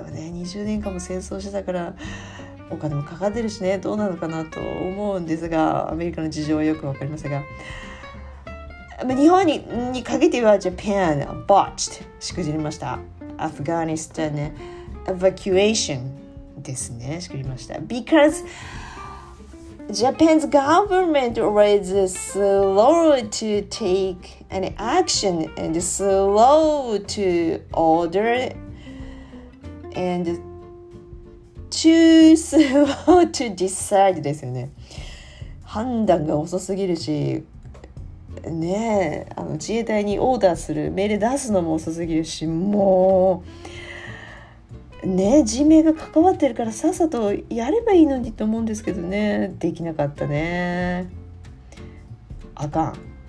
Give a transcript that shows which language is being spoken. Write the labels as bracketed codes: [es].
[ja] でもね、20年間も戦争してたからお金もかかってるしね、どうなのかなと思うんですが、アメリカの事情はよくわかりませんが、日本に限っては [en] Japan botched、 [ja] しくじりました。アフガニスタン evacuation ですね、しくじりました。 [en] Because Japan's government was slow to take an action and slow to order andtoo slow to decide [ja] ですよね。判断が遅すぎるし、ね、あの自衛隊にオーダーする、命令出すのも遅すぎるし、もう、ね、人命が関わってるからさっさとやればいいのにと思うんですけどね、できなかったね。あかん。